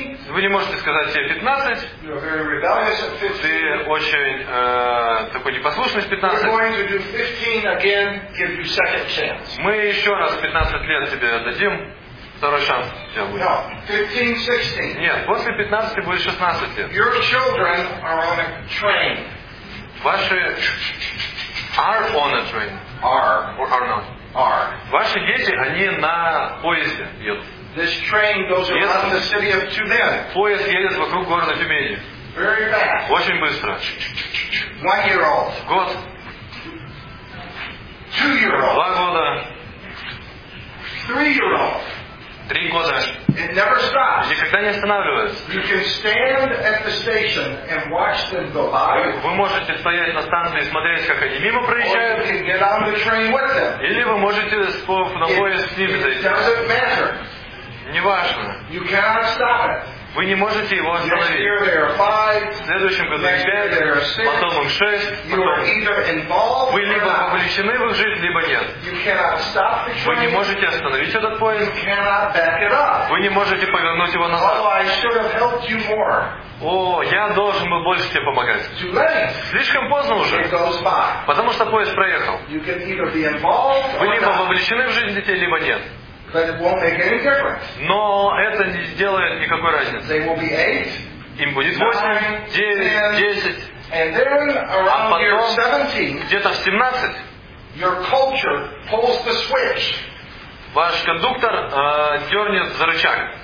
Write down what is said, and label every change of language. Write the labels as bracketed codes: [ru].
[ru] Вы не можете сказать себе 15, ты очень такой непослушный в 15. Мы еще раз 15 лет тебе дадим. Второй шанс у тебя будет. [en] No, 15, [ru] нет, после 15 будет 16 лет. [en] Your children are on a train. Ваши are on a train. Are. Or are not. Are. [ru] Ваши дети, они на поезде едут. [en] This train goes around [ru] поезд, [en] the city of Tumen. [ru] Поезд едет вокруг города Тюмени. [en] Very fast. [ru] Очень быстро. [en] 1 year old. [ru] Год. [en] 2 year old. [ru] 2 года. [en] 3 year old. [ru] 3 года. [en] It never stops. [ru] Никогда не останавливается. [en] You can stand at the station and watch them go by. [ru] Вы можете стоять на станции и смотреть, как они мимо проезжают. [en] Or you can get on the train with them. [ru] Или вы можете на поезд с ними зайти. [en] It doesn't matter. [ru] Неважно. [en] You cannot stop it. [ru] Вы не можете его остановить. [en] Next year there are 5. [ru] В следующем году 5. Потом 6. [en] You are either involved. [ru] Вы либо вовлечены в их жизнь, либо нет. [en] You cannot stop the train. [ru] Вы не можете остановить этот поезд. [en] You cannot back it up. [ru] Вы не можете повернуть его назад. [en] Oh, I should have helped you more. [ru] О, я должен был больше тебе помогать. [en] Too late. [ru] Слишком поздно уже. [en] It goes by. [ru] Потому что поезд проехал. [en] You can either be involved. [ru] Вы либо вовлечены в жизнь детей, либо нет. [en] But it won't make any difference. [ru] Но это не сделает никакой разницы. [en] They will be 8, [ru] им будет 8, 9, 10, [en] and then around [ru] а потом, [en] year 17, [ru] где-то в 17, [en] your culture pulls the switch. [ru] Ваш кондуктор дернет за рычаг.